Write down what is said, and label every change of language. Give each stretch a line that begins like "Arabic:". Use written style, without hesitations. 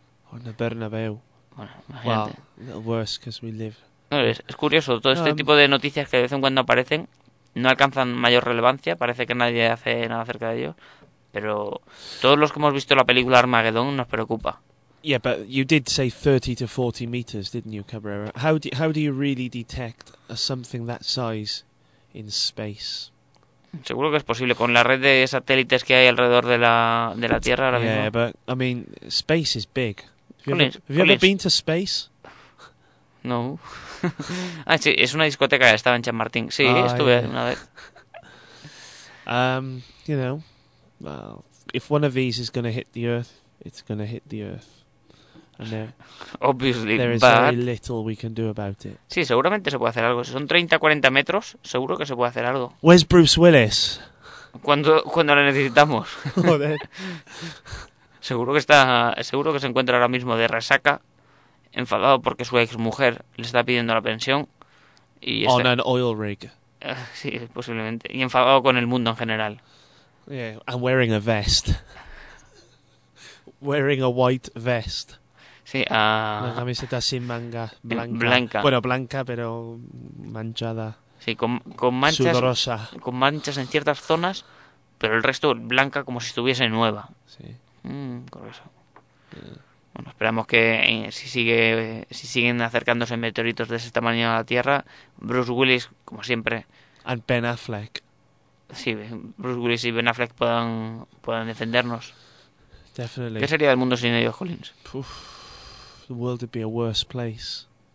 Spanish: O en el Bernabéu. Bueno, imagínate.
English: Well, the worst, because we live...
Spanish: No, es curioso, todo este tipo de noticias que de vez en cuando aparecen no alcanzan mayor relevancia, parece que nadie hace nada acerca de ello, pero todos los que hemos visto la película Armageddon nos preocupa.
English: Yeah, but you did say 30 to 40 meters, didn't you, Cabrera? How do you really detect something that size in space?
Spanish: Seguro que es posible con la red de satélites que hay alrededor de la Tierra ahora mismo.
English: Yeah, but I mean, space is big. Have you ever been to space?
Spanish: No. Ah, sí, es una discoteca, estaba en Chamartín. Sí, estuve una vez.
English: You know, well, if one of these is going to hit the Earth, it's going to hit the Earth. And obviously, there is very little we can do about it.
Spanish: Sí, seguramente se puede hacer algo. Si son 30, 40 metros, seguro que se puede hacer algo.
English: Where's Bruce Willis?
Spanish: ¿Cuándo lo necesitamos? Joder. Seguro que se encuentra ahora mismo de resaca. Enfadado porque su ex mujer le está pidiendo la pensión y está...
English: On an oil rig.
Spanish: Sí, posiblemente. Y enfadado con el mundo en general.
English: Yeah, and wearing a vest. Wearing a white vest.
Spanish: Sí, una camiseta sin manga. Blanca. Blanca. Bueno, blanca, pero manchada. Sí, con manchas. Sudorosa. Con manchas en ciertas zonas, pero el resto blanca como si estuviese nueva. Sí. Grueso. Bueno, esperamos que si siguen acercándose meteoritos de ese tamaño a la Tierra, Bruce Willis, como siempre...
English: And Ben Affleck.
Spanish: Sí, Bruce Willis y Ben Affleck puedan defendernos.
English: Definitely.
Spanish: ¿Qué sería del mundo sin ellos, Collins?
English: Uf, the world would be a worse place.